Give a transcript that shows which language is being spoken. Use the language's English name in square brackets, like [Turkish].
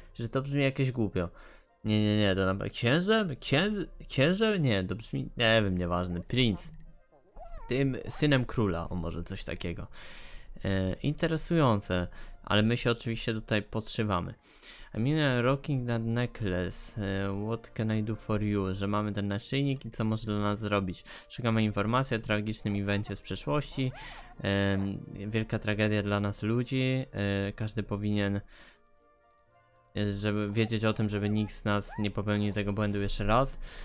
[Polish] Że to brzmi jakieś głupio. Nie, to naprawdę. Księżem? Nie, to brzmi. Nie wiem, nieważne. Prince. Tym synem króla, o może coś takiego. Interesujące. Ale my się oczywiście tutaj podszywamy. [English] I mean, rocking that necklace. What can I do for you? [Polish] Że mamy ten naszyjnik i co może dla nas zrobić? Szukamy informacji o tragicznym evencie z przeszłości. Wielka tragedia dla nas ludzi. Każdy powinien, żeby wiedzieć o tym, żeby nikt z nas nie popełnił tego błędu jeszcze raz.